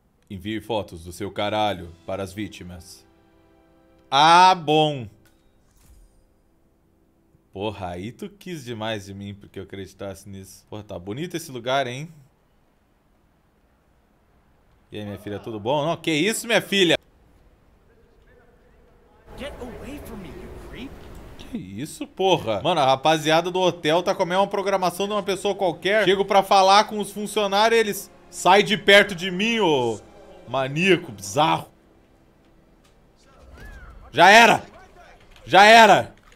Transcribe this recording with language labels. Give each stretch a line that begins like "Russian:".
Portuguese: Envie fotos do seu caralho para as vítimas. Ah, bom! Porra, aí tu quis demais de mim porque eu acreditasse nisso. Porra, tá bonito esse lugar, hein? E aí, minha filha, tudo bom? Não, que isso, minha filha?
English: Get away from me, you creep.
Portuguese: Que isso, porra? Mano, a rapaziada do hotel tá comendo uma programação de uma pessoa qualquer. Chego pra falar com os funcionários, eles. Sai de perto de mim, ô maníaco, bizarro. Já era! Já era!